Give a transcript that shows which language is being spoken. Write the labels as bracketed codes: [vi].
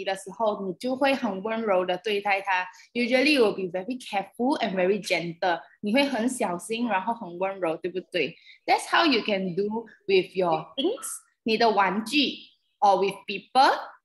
[zh] 当你抱着一个baby的时候，你就会很温柔的对待他。 [en] Usually you will be very careful and very gentle. [zh] 你会很小心，然后很温柔，对不对？ That's how you can do with your things, 你的玩具, or with people.